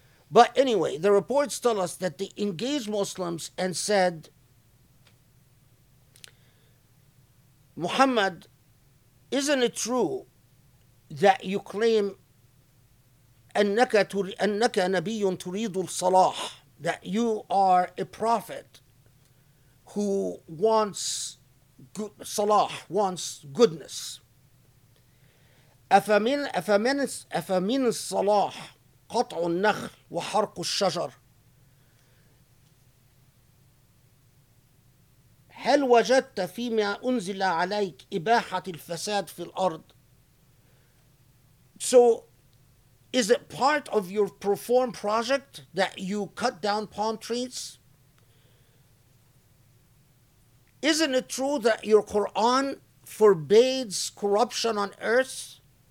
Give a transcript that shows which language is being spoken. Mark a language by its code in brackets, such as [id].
[en] But anyway, the reports tell us that they engaged Muslims and said, Muhammad, isn't it true that you claim [ar] أنك نبي تريد الصلاح, [en] that you are a prophet who wants good, صلاح, wants goodness. [ar] أفمن الصلاح قطع النخل وحرق الشجر. هل وجدت فيما أنزل عليك إباحة الفساد في الأرض؟ [en] So, is it part of your reform project that you cut down palm trees? Isn't it true that your Quran forbids corruption on earth?